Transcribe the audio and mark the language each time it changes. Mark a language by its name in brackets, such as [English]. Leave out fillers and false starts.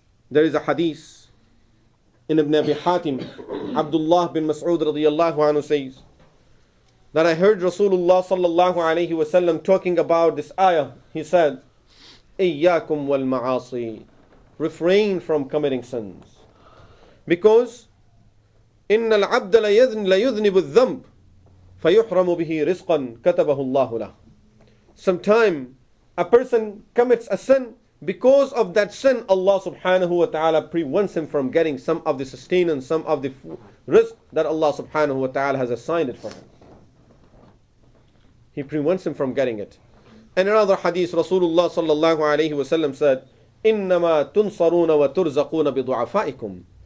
[English] There is a hadith in Ibn Abi Hatim, Abdullah bin Mas'ud radiyallahu anhu says, that I heard Rasulullah sallallahu alayhi wa sallam talking about this ayah. He said, [Arabic] إِيَّاكُمْ وَالْمَعَاصِي. [English] Refrain from committing sins. Because, [Arabic] إِنَّ الْعَبْدَ لَيُذْنِبُ الذَّنْبِ فَيُحْرَمُ بِهِ رِزْقًا كَتَبَهُ اللَّهُ لَهُ. [English] Sometime, a person commits a sin. Because of that sin, Allah subhanahu wa ta'ala prevents him from getting some of the sustenance, some of the risk that Allah subhanahu wa ta'ala has assigned it for him. He prevents him from getting it. And another hadith, Rasulullah sallallahu alayhi wa sallam said, [Arabic] إِنَّمَا تُنصَرُونَ وَتُرْزَقُونَ بِضُعَفَائِكُمْ.